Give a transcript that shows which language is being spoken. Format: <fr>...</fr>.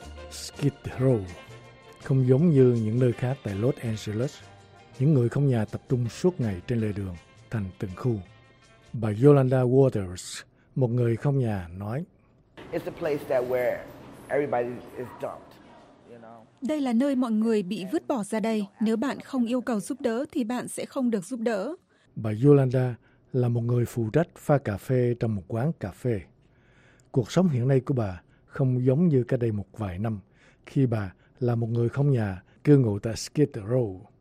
<vi>Skid Row không giống như những nơi khác tại Los Angeles. Những người không nhà tập trung suốt ngày trên lề đường thành từng khu. Bà Yolanda Waters, một người không nhà, nói:</vi> <en>"It's a place that where everybody is dumped.</en> <vi>Đây là nơi mọi người bị vứt bỏ ra đây. Nếu bạn không yêu cầu giúp đỡ thì bạn sẽ không được giúp đỡ." Bà Yolanda là một người phụ trách pha cà phê trong một quán cà phê. Cuộc sống hiện nay của bà không giống như cách đây một vài năm, khi bà là một người không nhà cư ngụ tại Skid Row.</vi>